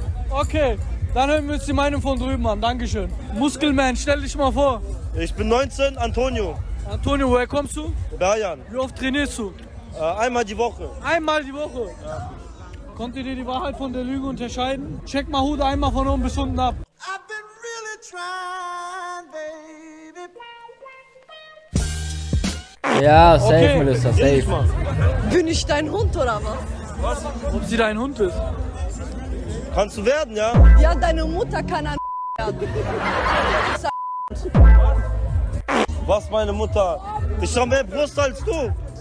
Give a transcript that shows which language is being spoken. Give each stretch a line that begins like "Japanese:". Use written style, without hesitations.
German: Okay, dann hören wir uns die Meinung von drüben an. Dankeschön. Muskelman, stell dich mal vor. Ich bin 19, Antonio. Antonio, woher kommst du? Bayern. Wie oft trainierst du? Einmal die Woche. Einmal die Woche? Ja. Konnt ihr dir die Wahrheit von der Lüge unterscheiden? Check mal Hut einmal von oben bis unten ab.
English: I've been really trying, baby.
German: Ja, safe, okay. Melissa, safe. Ich bin ich dein Hund oder was? Was? Ob sie dein Hund ist? Kannst du werden, ja? Ja, deine Mutter kann ein werden. Was, meine Mutter? Ich hab mehr Brust als du.